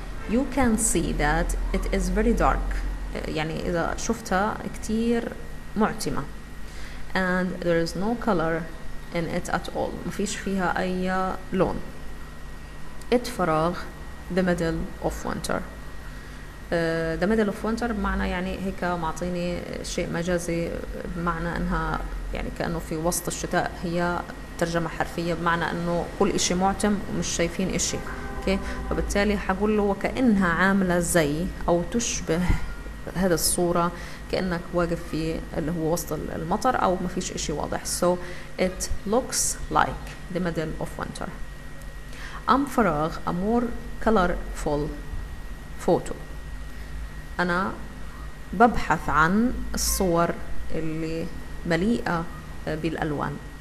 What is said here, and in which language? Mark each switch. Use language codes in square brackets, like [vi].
[en] You can see that it is very dark. [ar] يعني إذا شفتها كتير معتمة. [en] And there is no color in it at all. [ar] مفيش فيها أي لون. It فراغ. [en] The middle of winter. The middle of winter [ar] بمعنى يعني هيك معطيني شيء مجازي بمعنى أنها يعني كأنه في وسط الشتاء. هي ترجمة حرفية بمعنى أنه كل إشي معتم ومش شايفين إشي. [en] okay. [ar] فبالتالي حقول له وكأنها عاملة زي أو تشبه هذا الصورة كأنك واقف في اللي هو وسط المطر أو ما فيش إشي واضح. [en] So it looks like the middle of winter. [ar] أم فراغ أمور [en] colorful photo. [ar] أنا ببحث عن الصور اللي مليئة بالألوان.